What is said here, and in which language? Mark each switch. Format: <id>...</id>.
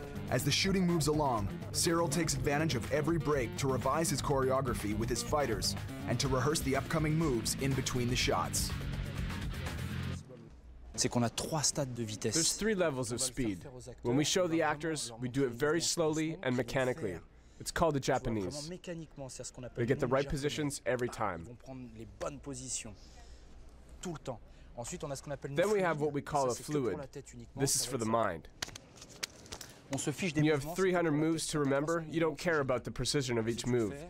<en>As the shooting moves along, Cyril takes advantage of every break to revise his choreography with his fighters and to rehearse the upcoming moves in between the shots.</en> <fr>C'est qu'on a 3 stades de vitesse.</fr> <en>There's 3 levels of speed. When we show the actors, we do it very slowly and mechanically. It's called the Japanese. They get the right positions every time.</en> <fr>Ils vont prendre les bonnes positions tout le temps. Ensuite, on a ce qu'on appelle</fr> <en>Then we have what we call a fluid. This is for the mind.</en> <fr>On se fiche des</fr> <en>you have 300 moves to remember, you don't care about the precision of each move.</en>